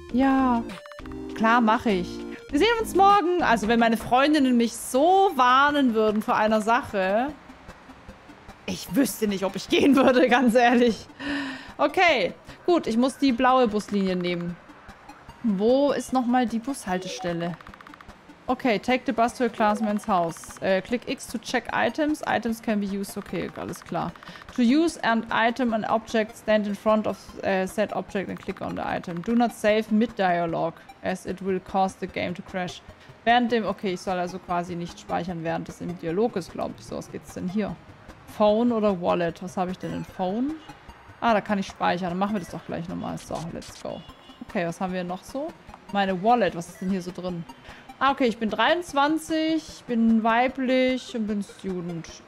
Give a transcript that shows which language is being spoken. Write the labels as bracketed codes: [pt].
[de] Ja, klar, mache ich. Wir sehen uns morgen. Also wenn meine Freundinnen mich so warnen würden vor einer Sache... Ich wüsste nicht, ob ich gehen würde, ganz ehrlich. Okay, gut, ich muss die blaue Buslinie nehmen. Wo ist nochmal die Bushaltestelle? [en] Okay, take the bus to a classmate's house. Click X to check items. Items can be used. [de] Okay, alles klar. [en] To use an item and object, stand in front of said object and click on the item. Do not save mid-dialogue, as it will cause the game to crash. [de] Während dem... Okay, ich soll also quasi nicht speichern, während es im Dialog ist, glaube ich. So, was geht's denn hier? Phone oder Wallet? Was habe ich denn in Phone? Ah, da kann ich speichern. Dann machen wir das doch gleich nochmal. [en] So, let's go. [de] Okay, was haben wir noch so? Meine Wallet. Was ist denn hier so drin? Ah, okay. Ich bin 23, bin weiblich und bin Student.